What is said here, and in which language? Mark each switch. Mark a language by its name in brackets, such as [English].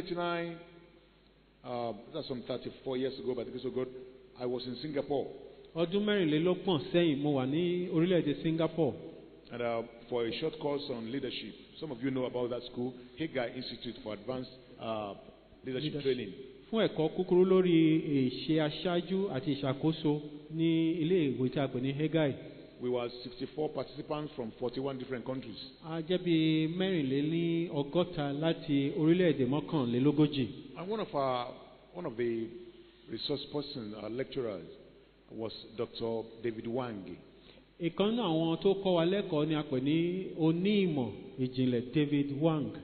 [English] 1989, that's some 34 years ago, by the grace of God, I was in Singapore. [Yoruba] Ọdún mẹ́rìnlélọ́gbọ̀n sẹ́yìn mo wà ní orílẹ̀-èdè Singapore. [English] And for a short course on leadership, some of you know about that school, Hagar Institute for Advanced Leadership Training. [Yoruba] Fún ẹ̀kọ́ kúkúrú lórí ìṣe aṣáájú àti ìṣàkóso ní ilé-ìwé tí a pè ní Hagar. [English] We were 64 participants from 41 different countries. [Yoruba] A jẹ́ bi mẹ́rìnlélín ọgọ́ta láti orílẹ̀-èdè mọ́kànlélógójì. [English] And one of the resource persons, our lecturers, was Dr. David Wang. [Yoruba] Ìkànnì àwọn tó kọ́ wa lẹ́kọ̀ọ́ ni a pè ní oní ìmọ̀ ìjìnlẹ̀ David Wang.